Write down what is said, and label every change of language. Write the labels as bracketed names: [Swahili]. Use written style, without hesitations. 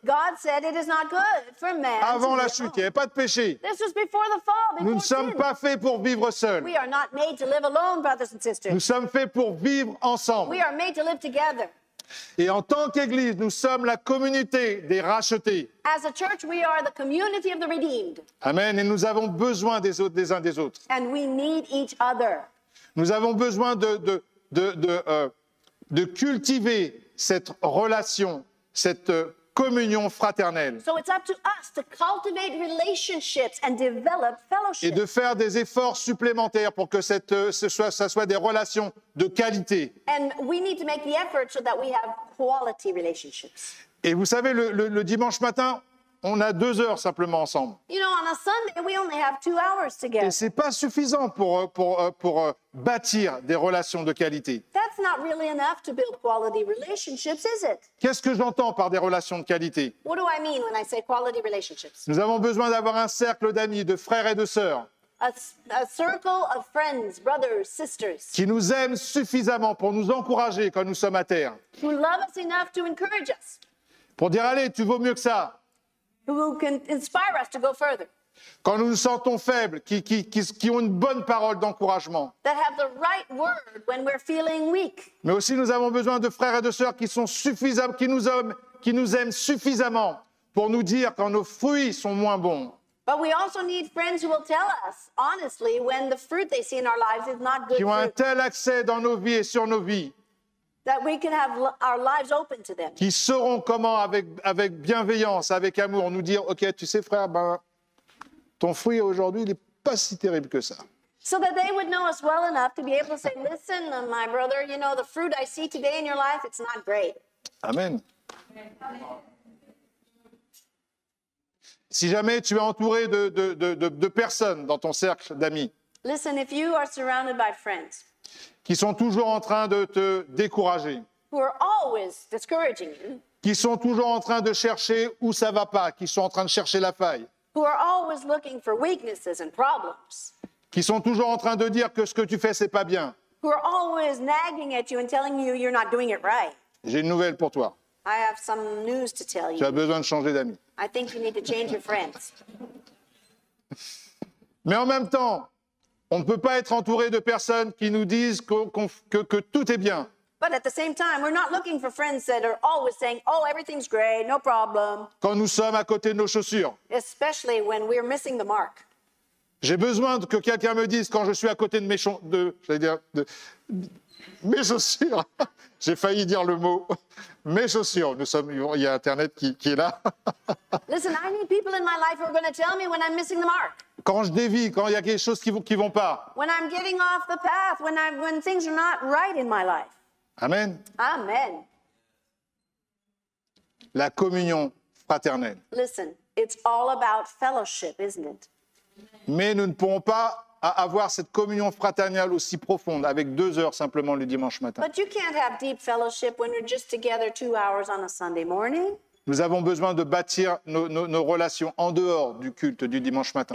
[English] God said it is not good for man. [French] Avant la chute, il n'y avait pas de péché. [English] This was before the fall, before [French] nous ne sommes [English] sin. [French] Pas faits pour vivre seuls. [English] We are not made to live alone, brothers and sisters. [French] Nous sommes faits pour vivre ensemble. [English] We are made to live together. [French] Et en tant qu'Église, nous sommes la communauté des rachetés. [English] As a church, we are the community of the redeemed. Amen. [French] Et nous avons besoin des autres, des uns des autres. [English] And we need each other. [French] Nous avons besoin de cultiver cette relation, cette communion fraternelle. [English] So it's up to us to cultivate relationships and develop fellowship. [French] Et de faire des efforts supplémentaires pour que ce soit des relations de qualité. [English] And we need to make the effort so that we have quality relationships. [French] Et vous savez, le dimanche matin, on a 2 heures simplement ensemble. [English] You know, on a Sunday, we only have 2 hours together. [French] Et c'est pas suffisant pour bâtir des relations de qualité. [English] That's not really enough to build quality relationships, is it? [French] Qu'est-ce que j'entends par des relations de qualité? [English] What do I mean when I say quality relationships? [French] Nous avons besoin d'avoir un cercle d'amis, de frères et de sœurs. [English] A circle of friends, brothers, sisters. [French] Qui nous aiment suffisamment pour nous encourager quand nous sommes à terre. [English] Who love us enough to encourage us. [French] Pour dire, allez, tu vaux mieux que ça. [English] Who can inspire us to go further. [French] Quand nous nous sentons faibles, qui ont une bonne parole d'encouragement. [English] That have the right word when we're feeling weak. [French] Mais aussi nous avons besoin de frères et de sœurs qui sont suffisamment, qui nous aiment suffisamment pour nous dire quand nos fruits sont moins bons. [English] But we also need friends who will tell us honestly when the fruit they see in our lives is not good. [French] Qui ont un tel accès dans nos vies et sur nos vies. [English] That we can have our lives open to them. [French] Qui sauront comment, avec bienveillance, avec amour, nous dire, OK, tu sais, frère, ben, ton fruit aujourd'hui, il n'est pas si terrible que ça. [English] So that they would know us well enough to be able to say, listen, my brother, you know, the fruit I see today in your life, it's not great. Amen. [French] Si jamais tu es entouré de personnes dans ton cercle d'amis. [English] Listen, if you are surrounded by friends. [French] Qui sont toujours en train de te décourager. [English] Who are always discouraging you. [French] Qui sont toujours en train de chercher où ça va pas, qui sont en train de chercher la faille. [English] Who are always looking for weaknesses and problems. [French] Qui sont toujours en train de dire que ce que tu fais, c'est pas bien. [English] Who are always nagging at you and telling you you're not doing it right. [French] J'ai une nouvelle pour toi. [English] I have some news to tell you. [French] Tu as besoin de changer d'amis. [English] I think you need to change your friends. [French] Mais en même temps, on ne peut pas être entouré de personnes qui nous disent que tout est bien. [English] But at the same time, we're not looking for friends that are always saying, oh, everything's great, no problem. [French] Quand nous sommes à côté de nos chaussures. [English] Especially when we're missing the mark. [French] J'ai besoin que quelqu'un me dise quand je suis à côté de mes chaussures. J'ai failli dire le mot. Mes chaussures. Il y a Internet qui est là. [English] Listen, I need people in my life who are going to tell me when I'm missing the mark. [French] Quand je dévie, quand il y a quelque chose qui ne va pas. [English] When I'm getting off the path, when things are not right in my life. Amen. Amen. [French] La communion fraternelle. [English] Listen, it's all about fellowship, isn't it? [French] Mais nous ne pourrons pas avoir cette communion fraternelle aussi profonde avec deux heures simplement le dimanche matin. [English] But you can't have deep fellowship when you're just together 2 hours on a Sunday morning. [French] Nous avons besoin de bâtir nos relations en dehors du culte du dimanche matin.